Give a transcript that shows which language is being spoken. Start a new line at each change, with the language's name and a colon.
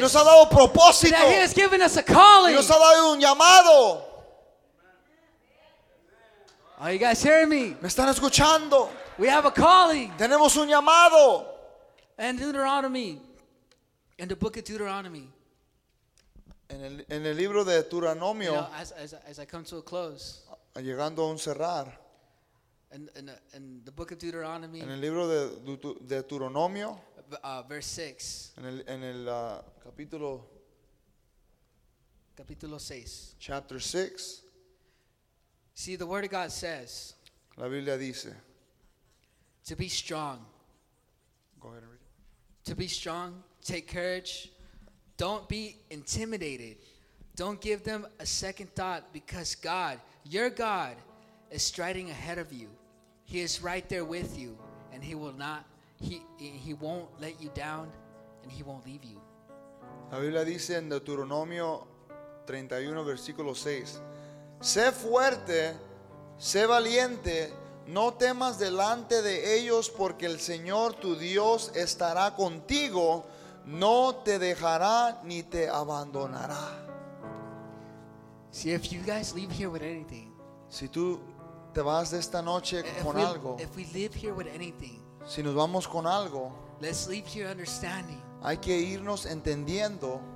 Spanish: Y nos ha dado propósito.
English: That he has given us a calling.
Spanish: Y nos ha dado un llamado.
English: Are you guys hearing me?
Spanish: ¿Me están escuchando?
English: We have a calling.
Spanish: Tenemos un llamado.
English: And Deuteronomy. And the book of Deuteronomy.
Spanish: En el libro de Deuteronomio,
English: you know, as I come to a close,
Spanish: llegando a un cerrar,
English: in the book of Deuteronomy,
Spanish: en el libro de Deuteronomio,
English: verse 6,
Spanish: en el capítulo 6,
English: chapter 6, see, the word of God says,
Spanish: la Biblia dice,
English: to be strong, go ahead and read it. To be strong, take courage. Don't be intimidated. Don't give them a second thought, because God, your God, is striding ahead of you. He is right there with you, and he will not, he won't let you down, and he won't leave you.
Spanish: La Biblia dice en Deuteronomio 31, versículo 6. Sé fuerte, sé valiente, no temas delante de ellos, porque el Señor tu Dios estará contigo. No te dejará ni te abandonará.
English: See, if you guys leave here with anything.
Spanish: Si tú te vas de esta noche con algo.
English: If we leave here with anything.
Spanish: Si nos vamos con algo.
English: Let's leave here understanding.
Spanish: Hay que irnos entendiendo.